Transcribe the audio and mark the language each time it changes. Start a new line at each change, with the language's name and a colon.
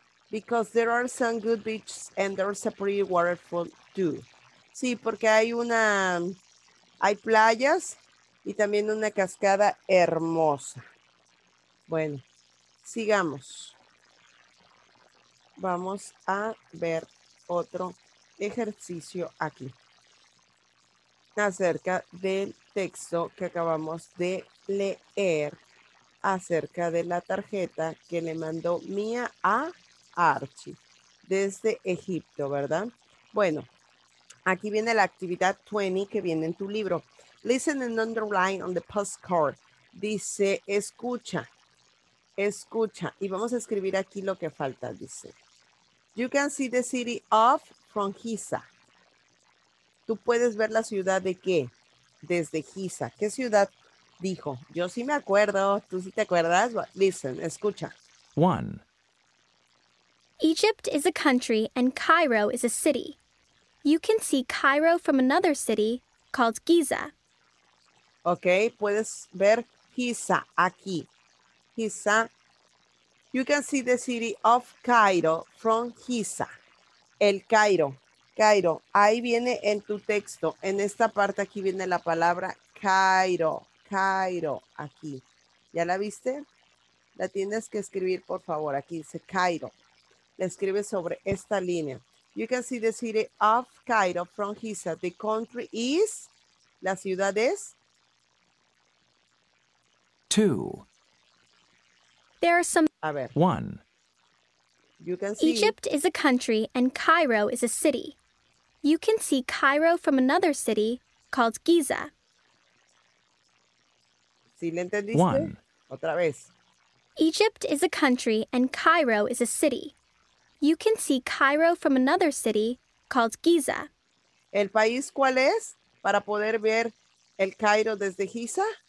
English: Because there are some good beaches and there's a pretty waterfall too.
Spanish: Sí, porque hay playas y también una cascada hermosa. Bueno, sigamos. Vamos a ver otro ejercicio aquí acerca del texto que acabamos de leer acerca de la tarjeta que le mandó Mía a Archie desde Egipto, ¿verdad? Bueno, aquí viene la actividad 20 que viene en tu libro.
English: Listen and underline on the postcard.
Spanish: Dice, escucha, escucha. Y vamos a escribir aquí lo que falta, dice.
English: You can see the city of from Giza.
Spanish: Tú puedes ver la ciudad de qué? Desde Giza. ¿Qué ciudad dijo? Yo sí me acuerdo. ¿Tú sí te acuerdas? Listen, escucha.
English: One. Egypt is a country and Cairo is a city. You can see Cairo from another city called Giza.
Spanish: Okay, puedes ver Giza aquí. Giza.
English: You can see the city of Cairo from Giza.
Spanish: El Cairo. Cairo. Ahí viene en tu texto. En esta parte aquí viene la palabra Cairo. Cairo. Aquí. ¿Ya la viste? La tienes que escribir, por favor. Aquí dice Cairo. La escribes sobre esta línea.
English: You can see the city of Cairo from Giza. The country is...
Spanish: La ciudad es...
English: Two. There are some...
Spanish: A ver.
English: One. You can see... Egypt is a country and Cairo is a city. You can see Cairo from another city called Giza.
Spanish: ¿Sí le entendiste?
English: One.
Spanish: Otra vez.
English: Egypt is a country and Cairo is a city. You can see Cairo from another city called Giza.
Spanish: ¿El país cuál es para poder ver el Cairo desde Giza?